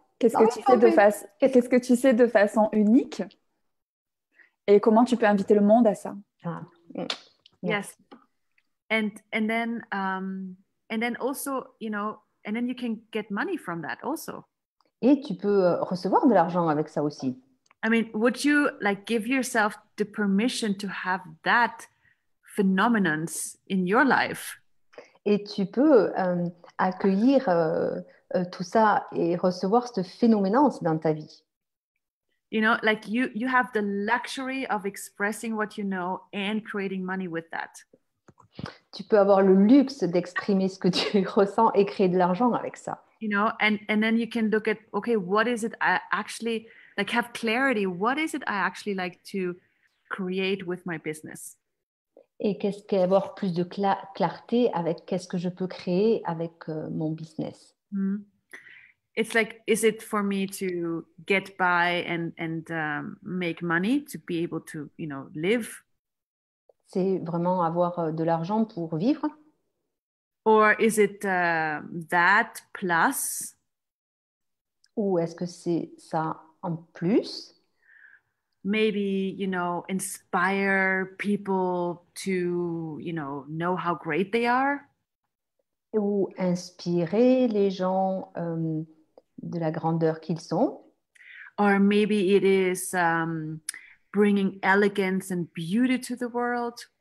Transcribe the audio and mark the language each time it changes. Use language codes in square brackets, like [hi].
[fr] Qu'est-ce que tu sais de façon unique? Et comment tu peux inviter le monde à ça? Ah. [en] Yes. And then also, you know, and then you can get money from that also. [fr] Et tu peux recevoir de l'argent avec ça aussi. [en] I mean, would you like give yourself the permission to have that phenomenon in your life? [fr] Et tu peux accueillir tout ça et recevoir ce phénoménon dans ta vie. [en] You know, like you have the luxury of expressing what you know and creating money with that. [fr] Tu peux avoir le luxe d'exprimer ce que tu ressens et créer de l'argent avec ça. [en] You know, and then you can look at, okay, what is it I actually, like have clarity, what is it I actually like to create with my business? [fr] Et qu'est-ce qu'avoir plus de clarté avec qu'est-ce que je peux créer avec mon business? Mm-hmm. [en] It's like, is it for me to get by and make money to be able to, you know, live? [fr] C'est vraiment avoir de l'argent pour vivre? [en] Or is it that plus? [fr] Ou est-ce que c'est ça en plus? [en] Maybe, you know, inspire people to, you know how great they are? [fr] Ou inspirer les gens de la grandeur qu'ils sont? [en] Or maybe it is bringing elegance and beauty to the world?